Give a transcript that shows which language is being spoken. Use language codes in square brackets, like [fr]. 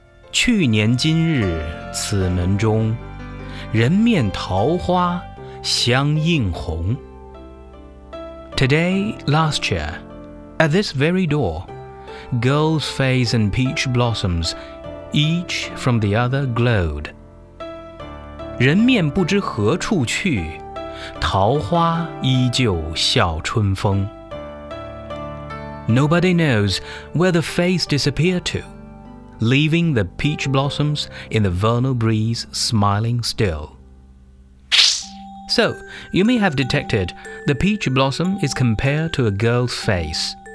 [zh] 去年今日此门中人面桃花相映红 [en] Today, last year, at this very door, girl's face and peach blossoms, each from the other glowed. [zh] 人面不知何处去，桃花依旧笑春风。 [en] Nobody knows where the face disappeared to, leaving the peach blossoms in the vernal breeze smiling still. So, you may have detected, the peach blossom is compared to a girl's face.